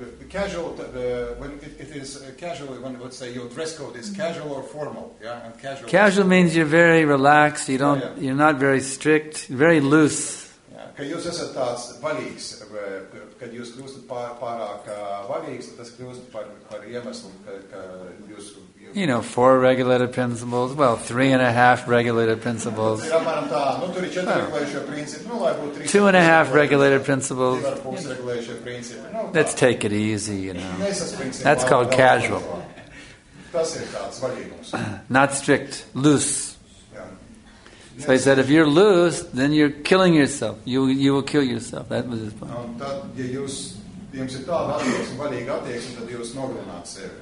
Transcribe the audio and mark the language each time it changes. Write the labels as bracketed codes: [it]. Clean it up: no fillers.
[en] Casual, when your dress code is casual or formal, yeah, and casual. Casual means you're very relaxed, you're not very strict, very loose. [lv] Kad jūs esat tāds valīgs, kad jūs kļūstat pārāk valīgs, tas kļūst par iemeslu, ka jūs... [en] You know, 4 regulative principles, well, 3.5 regulative principles. [lv] Ir apmēram tā, nu tur ir 4 regulējušie principi, nu lai būtu 3... [en] 2.5 regulative principles. [lv] 2.5 regulējušie principi, nu tā. [en] Let's take it easy, you know. [lv] Mēs esam principi. [en] That's called casual. [lv] Tas ir tāds valīgums. [en] Not strict, loose. So he said, if you're loose, then you're killing yourself. You will kill yourself. That was his point.